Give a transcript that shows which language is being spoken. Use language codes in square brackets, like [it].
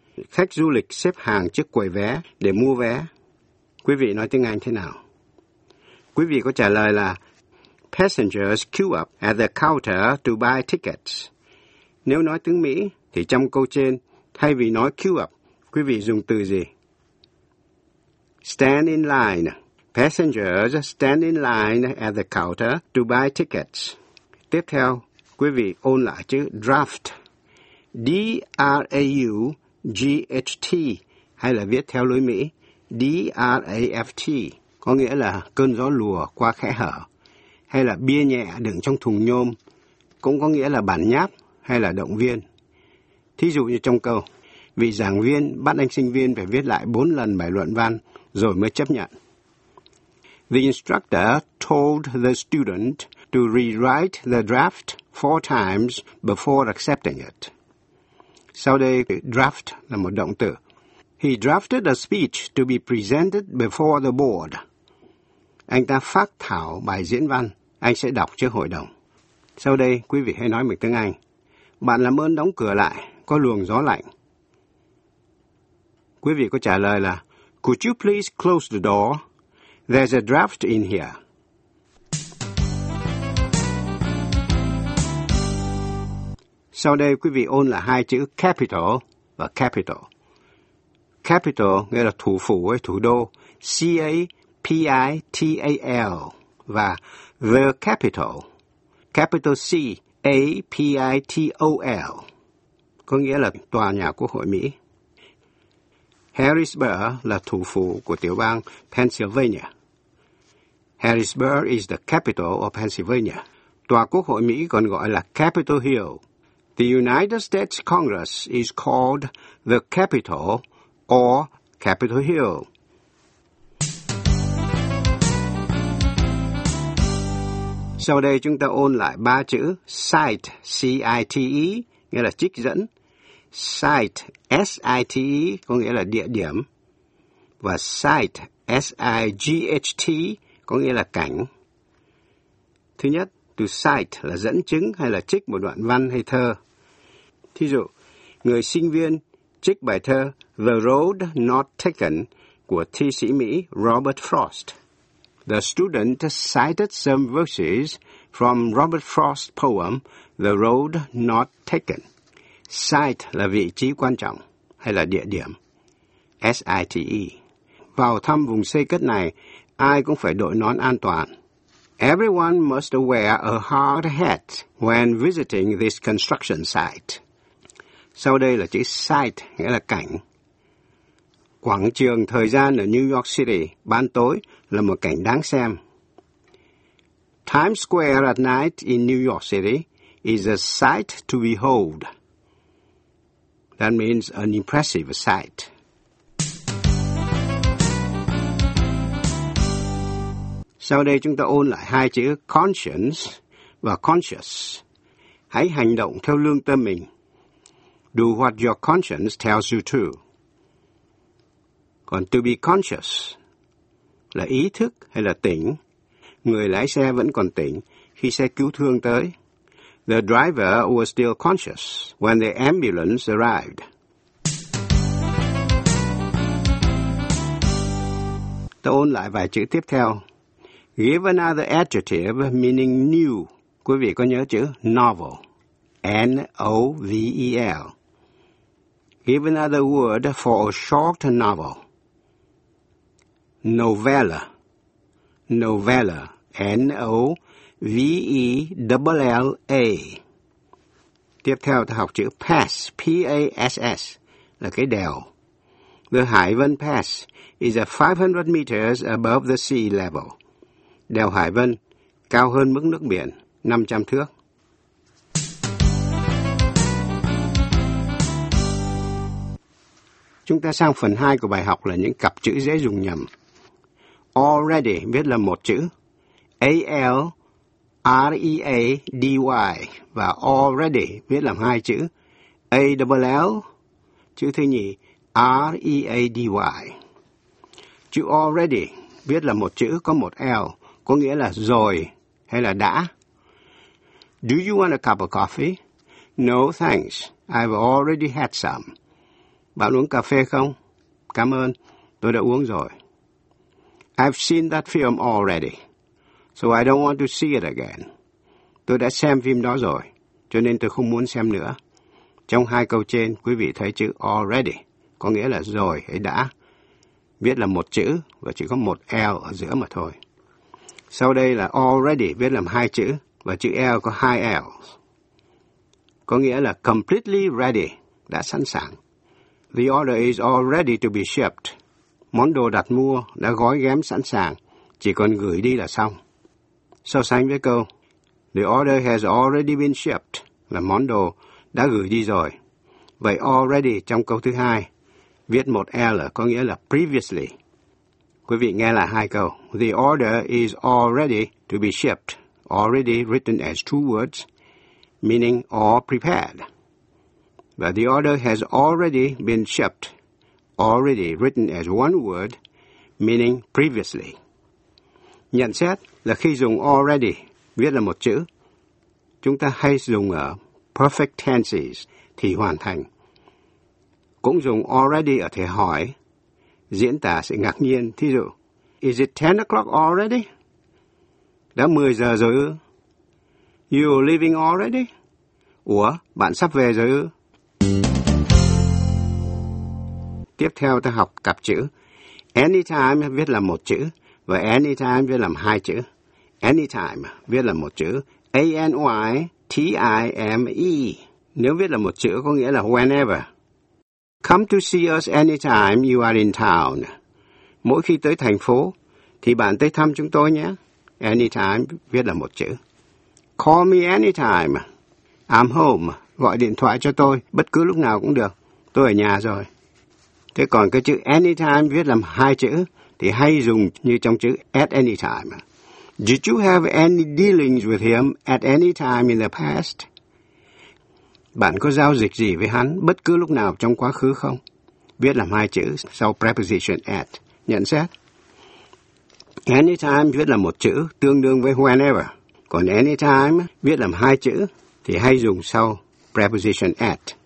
[vi] Khách du lịch xếp hàng trước quầy vé để mua vé. Quý vị nói tiếng Anh thế nào? Quý vị có trả lời là [en] passengers queue up at the counter to buy tickets. [vi] Nếu nói tiếng Mỹ, thì trong câu trên, thay vì nói queue up, quý vị dùng từ gì? [en] Stand in line. Passengers stand in line at the counter to buy tickets. [vi] Tiếp theo, quý vị ôn lại chữ draft. D-R-A-U-G-H-T, hay là viết theo lối Mỹ, D-R-A-F-T, có nghĩa là cơn gió lùa qua khẽ hở, hay là bia nhẹ đựng trong thùng nhôm, cũng có nghĩa là bản nháp hay là động viên. Thí dụ như trong câu, vị giảng viên bắt anh sinh viên phải viết lại 4 lần bài luận văn rồi mới chấp nhận. [en] The instructor told the student to rewrite the draft 4 times before accepting it. [vi] Sau đây, draft là một động từ. [en] He drafted a speech to be presented before the board. [vi] Anh ta phát thảo bài diễn văn, anh sẽ đọc trước hội đồng. Sau đây, quý vị hãy nói bằng tiếng Anh. Bạn làm ơn đóng cửa lại, có luồng gió lạnh. Quý vị có trả lời là, [en] could you please close the door? There's a draft in here. [vi] Sau đây, quý vị ôn là hai chữ capital và capital. Capital nghĩa là thủ phủ hay thủ đô, C-A-P-I-T-A-L, và the capital, capital C-A-P-I-T-O-L, có nghĩa là tòa nhà Quốc hội Mỹ. Harrisburg là thủ phủ của tiểu bang Pennsylvania. [en] Harrisburg is the capital of Pennsylvania. [vi] Tòa Quốc hội Mỹ còn gọi là Capitol Hill. [en] The United States Congress is called the Capitol or Capitol Hill. [vi] Sau đây chúng ta ôn lại ba chữ cite, C-I-T-E, nghĩa là trích dẫn. Site, S-I-T-E, có nghĩa là địa điểm. Và site, S-I-G-H-T, có nghĩa là cảnh. Thứ nhất, từ cite là dẫn chứng hay là trích một đoạn văn hay thơ. Thí dụ, người sinh viên trích bài thơ The Road Not Taken của thi sĩ Mỹ Robert Frost. [en] The student cited some verses from Robert Frost's poem The Road Not Taken. [vi] Site là vị trí quan trọng hay là địa điểm. S-I-T-E. Vào thăm vùng xây cất này, ai cũng phải đội nón an toàn. [en] Everyone must wear a hard hat when visiting this construction site. [vi] Sau đây là chữ site, nghĩa là cảnh. Quảng trường thời gian ở New York City, ban tối, là một cảnh đáng xem. [en] Times Square at night in New York City is a sight to behold. That means an impressive sight. [vi] Sau đây chúng ta ôn lại hai chữ conscience và conscious. Hãy hành động theo lương tâm mình. [en] Do what your conscience tells you to. [vi] Còn to be conscious là ý thức hay là tỉnh. Người lái xe vẫn còn tỉnh khi xe cứu thương tới. [en] The driver was still conscious when the ambulance arrived. [vi] Tôi ôn lại vài chữ tiếp theo. [en] Give another adjective meaning new. [vi] Quý vị có nhớ chữ novel? [en] N-O-V-E-L. Give another word for a short novel. Novella. Novella. N-O-V-E-L-L-A. [vi] Tiếp theo ta học chữ pass. P-A-S-S. Là cái đèo. [en] The Hải Vân Pass is 500 meters above the sea level. [vi] Đèo Hải Vân cao hơn mức nước biển 500 thước. Chúng ta sang phần 2 của bài học là những cặp chữ dễ dùng nhầm. Already viết là một chữ. A-L-R-E-A-D-Y và already viết là hai chữ. A-L-L, chữ thứ nhì, R-E-A-D-Y. Chữ already viết là một chữ có một L, có nghĩa là rồi hay là đã. [en] Do you want a cup of coffee? No, thanks. I've already had some. [vi] Bạn uống cà phê không? Cảm ơn, tôi đã uống rồi. [en] I've seen that film already, so I don't want to see it again. [vi] Tôi đã xem phim đó rồi, cho nên tôi không muốn xem nữa. Trong hai câu trên, quý vị thấy chữ already, có nghĩa là rồi hay đã. Viết là một chữ, và chỉ có một L ở giữa mà thôi. Sau đây là already, viết làm hai chữ, và chữ L có hai L. Có nghĩa là [en] completely ready, [vi] đã sẵn sàng. [en] The order is all ready to be shipped. [vi] Món đồ đặt mua đã gói ghém sẵn sàng, chỉ còn gửi đi là xong. So sánh với câu, [en] the order has already been shipped, [vi] là món đồ đã gửi đi rồi. Vậy already trong câu thứ hai, viết một L có nghĩa là previously. Quý vị nghe lại hai câu. [en] The order is already to be shipped, already written as two words, meaning all prepared. But the order has already been shipped, already written as one word, meaning previously. [vi] Nhận xét là khi dùng already, viết là một chữ, chúng ta hay dùng ở perfect tenses, thì hoàn thành. Cũng dùng already ở thể hỏi, diễn tả sự ngạc nhiên. Thí dụ, [en] is it 10 o'clock already? [vi] Đã 10 giờ rồi ư? [en] You leaving already? [vi] Ủa, bạn sắp về rồi ư? Tiếp theo ta học cặp chữ. Anytime viết là một chữ và anytime viết là hai chữ. Anytime viết là một chữ. A-N-Y-T-I-M-E. Nếu viết là một chữ có nghĩa là whenever. [en] Come to see us anytime you are in town. [vi] Mỗi khi tới thành phố thì bạn tới thăm chúng tôi nhé. Anytime viết là một chữ. [en] Call me anytime. I'm home. [vi] Gọi điện thoại cho tôi bất cứ lúc nào cũng được. Tôi ở nhà rồi. Thế còn cái chữ anytime viết làm hai chữ thì hay dùng như trong chữ at any time. [en] Did you have any dealings with him at any time in the past? [vi] Bạn có giao dịch gì với hắn bất cứ lúc nào trong quá khứ không? Viết làm hai chữ sau preposition at. Nhận xét. Anytime viết là một chữ tương đương với whenever. Còn anytime viết làm hai chữ thì hay dùng sau preposition at.